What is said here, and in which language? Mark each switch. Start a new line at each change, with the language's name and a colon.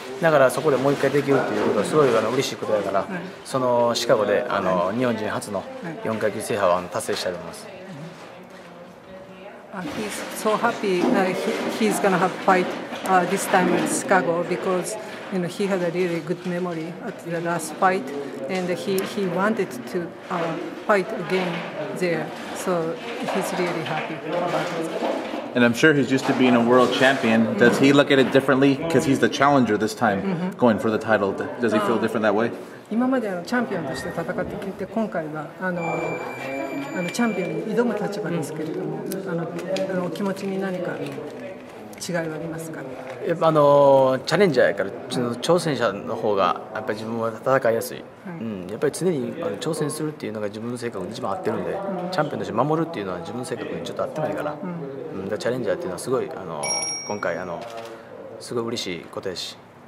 Japanese: だからそこでもう一回できるっていうことはすごい嬉しいことだから、そのシカゴで日本人初の4階級制覇を達成したいと思います。
English: He's so happy he's gonna have fight this time in Chicago because he had a really good memory at the last fight and he wanted to fight again there. So he's really happy about it. And I'm sure he's used to being a world champion. Does he look at it differently? Because he's the challenger this time going for the title. Does he feel different that way?
Japanese: 今までチャンピオンとして戦ってきて、今回はチャンピオンに挑む立場ですけれども、お気持ちに何か違いはありますか？やっぱチャレンジャーやから、挑戦者の方がやっぱり自分は戦いやすい、やっぱり常に挑戦するっていうのが自分の性格に一番合ってるんで、チャンピオンとして守るっていうのは自分の性格にちょっと合ってないから、だからチャレンジャーっていうのはすごい今回すごい嬉しいことやし。